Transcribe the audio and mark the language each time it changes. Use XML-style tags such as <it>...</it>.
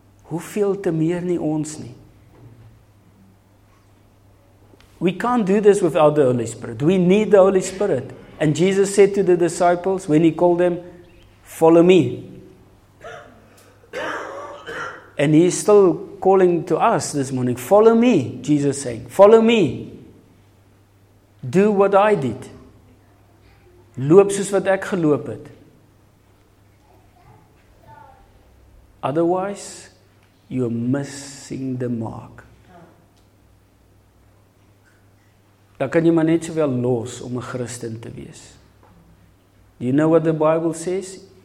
<af>Hoeveel te meer nie ons nie?</af> <en>We can't do this without the Holy Spirit. We need the Holy Spirit. And Jesus said to the disciples when he called them, follow me. And he's still calling to us this morning, follow me, Jesus saying, follow me. Do what I did.</en> <af>Loop soos wat ek geloop het.</af> <en>Otherwise, you're missing the mark.</en> <af>Dan kan jy maar net sowel los om 'n Christen te wees.</af> <en>Do you know what the Bible says?</en>